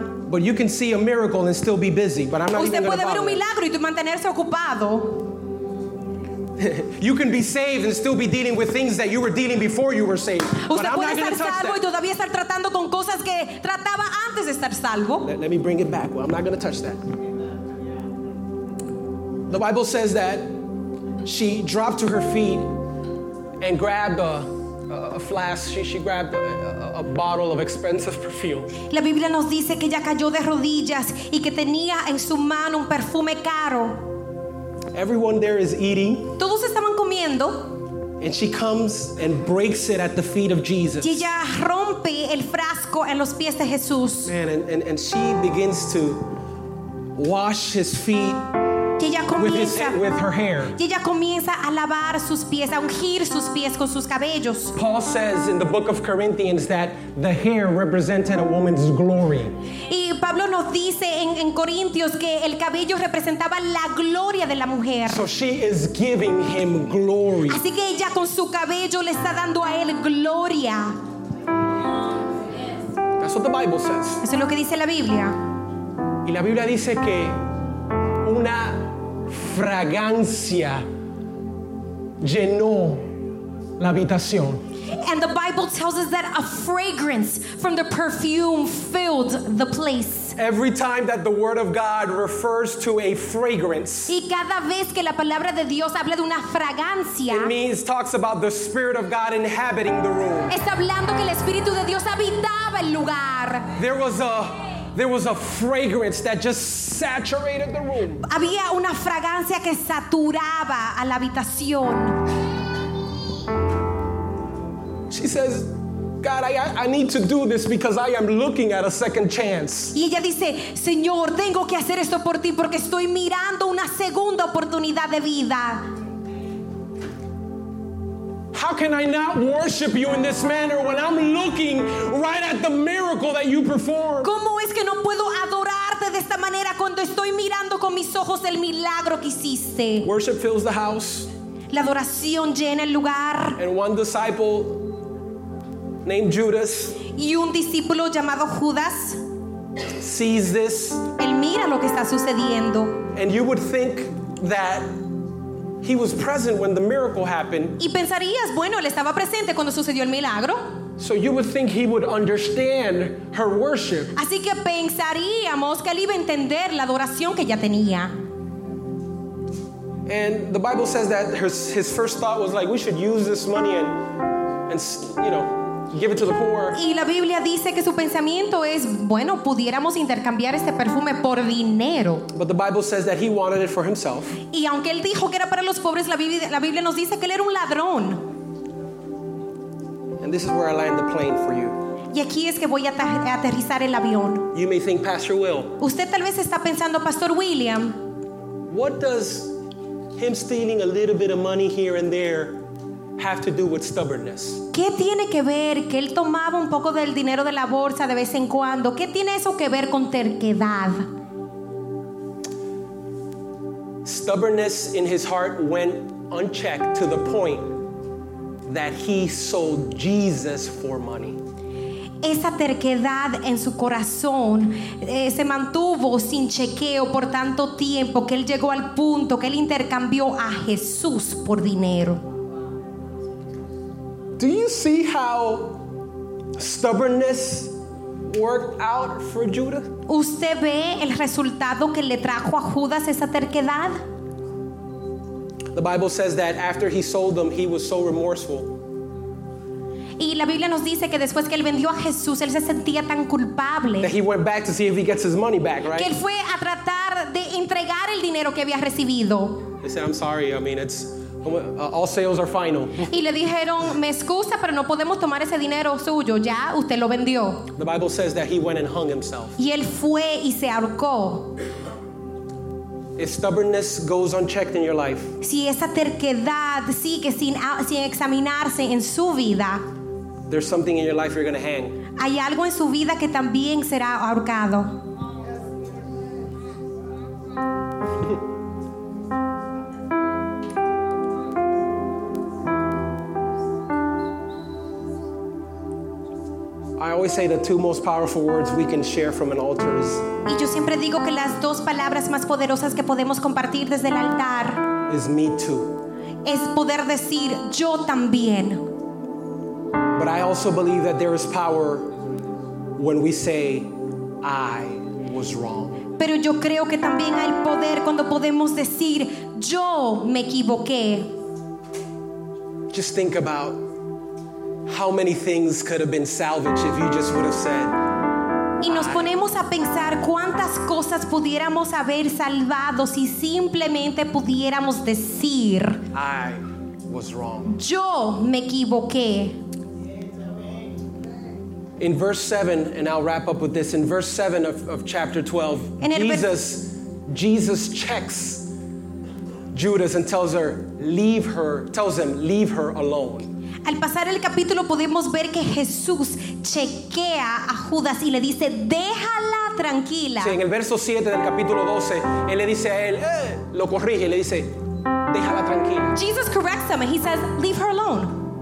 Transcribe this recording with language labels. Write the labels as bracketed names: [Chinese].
[English] But you can see a miracle and still be busy. But I'm not going to bother. [Spanish] Usted puede ver un milagro y mantenerse ocupado. [English] You can be saved and still be dealing with things that you were dealing before you were saved. [Spanish] Usted puede estar salvo y todavía estar tratando con cosas que trataba antes de estar salvo. [English] Let me bring it back. Well, I'm not going to touch that. The Bible says that she dropped to her feet and grabbed a flask. She grabbed a bottle of expensive perfume. [Spanish] La Biblia nos dice que ella cayó de rodillas y que tenía en su mano un perfume caro. [English] Everyone there is eating. [Spanish] Todos estaban comiendo. [English] And she comes and breaks it at the feet of Jesus. [Spanish] Y ella rompe el frasco en los pies de Jesús. [English] Man, and she begins to wash his feet. [Spanish] Y ella comienza, [English] with her hair. [Spanish] Y ella comienza a lavar sus pies, a ungir sus pies con sus cabellos. [English] Paul says in the book of Corinthians that the hair represented a woman's glory. [Spanish] Y Pablo nos dice en Corintios que el cabello representaba la gloria de la mujer. [English] So she is giving him glory. [Spanish] Así que ella con su cabello le está dando a él gloria. [English] That's what the Bible says. [Spanish] Eso es lo que dice la Biblia. Y la Biblia dice que una fragancia llenó la habitación. [English] And the Bible tells us that a fragrance from the perfume filled the place. Every time that the word of God refers to a fragrance. [Spanish] Y cada vez que la palabra de Dios habla de una fragancia. [English] It means talks about the spirit of God inhabiting the room. [Spanish] Está hablando que el espíritu de Dios habitaba el lugar. [English] There was a fragrance that just saturated the room. [Spanish] Había una fragancia que saturaba a la habitación. [English] She says, God, I need to do this because I am looking at a second chance. [Spanish] Y ella dice, Señor, tengo que hacer esto por ti porque estoy mirando una segunda oportunidad de vida. [English] How can I not worship you in this manner when I'm looking right at the miracle? miracle that you perform? [Spanish] ¿Cómo es que no puedo adorarte de esta manera cuando estoy mirando con mis ojos el milagro que hiciste? [English] Worship fills the house. [Spanish] La adoración llena el lugar. [English] And one disciple named Judas. [Spanish] Y un discípulo llamado Judas. [English] Sees this. [Spanish] Él mira lo que está sucediendo. [English] And you would think that he was present when the miracle happened. [Spanish] Y pensarías, bueno, él estaba presente cuando sucedió el milagro. [English] So you would think he would understand her worship. [Spanish] Así que pensaríamos que él iba a entender la adoración que ella tenía. [English] And the Bible says that his first thought was like, we should use this money and you know, give it to the poor. [Spanish] Y la Biblia dice que su pensamiento es, bueno, pudiéramos intercambiar este perfume por dinero. [English] But the Bible says that he wanted it for himself. [Spanish] Y aunque él dijo que era para los pobres, la Biblia nos dice que él era un ladrón. [English] And this is where I land the plane for you. [Spanish] Y aquí es que voy a aterrizar el avión. [English] You may think, Pastor Will. [Spanish] Usted tal vez está pensando, Pastor William. [English] What does him stealing a little bit of money here and there have to do with stubbornness? [Spanish] ¿Qué tiene que ver que él tomaba un poco del dinero de la bolsa de vez en cuando? ¿Qué tiene eso que ver con terquedad? [English] Stubbornness in his heart went unchecked to the point that he sold Jesus for money. [Spanish] Esa terquedad en su corazón se mantuvo sin chequeo por tanto tiempo que él llegó al punto que él intercambió a Jesús por dinero. [English] Do you see how stubbornness worked out for Judas? [Spanish] ¿Usted ve el resultado que le trajo a Judas esa terquedad? [English] The Bible says that after he sold them, he was so remorseful. [Spanish] Y la Biblia nos dice que después que él vendió a Jesús, él se sentía tan culpable. [English] That he went back to see if he gets his money back, right? [Spanish] Que él fue a tratar de entregar el dinero que había recibido. [English] He said, I'm sorry, I mean, it's all sales are final. [Spanish] Y le dijeron, me excusa, pero no podemos tomar ese dinero suyo, ya usted lo vendió. [English] The Bible says that he went and hung himself. [Spanish] Y él fue y se ahorcó. [English] If stubbornness goes unchecked in your life, [Spanish] si esa terquedad sigue sin examinarse en su vida, [English] there's something in your life you're going to hang. [Spanish] Hay algo en su vida que también será ahorcado. [English] I always say the two most powerful words we can share from an altar is. [Spanish] Y yo siempre digo que las dos palabras más poderosas que podemos compartir desde el altar [English] is me too. [Spanish] Es poder decir yo también. [English] But I also believe that there is power when we say I was wrong. [Spanish] Pero yo creo que también hay poder cuando podemos decir yo me equivoqué. [English] Just think about how many things could have been salvaged if you just would have said. [Spanish] Y nos ponemos a pensar cuántas cosas pudiéramos haber salvado si simplemente pudiéramos decir [English] I was wrong. [Spanish] Yo me equivoqué. [English] In verse 7, and I'll wrap up with this, in verse 7 of chapter 12, Jesus checks Judas and tells him leave her alone. [Spanish] Al pasar el capítulo podemos ver que Jesús chequea a Judas y le dice, déjala tranquila. Sí, en el verso 7 del capítulo 12, él le dice a él, lo corrige, le dice, déjala tranquila. [English] Jesus corrects him and he says, leave her alone.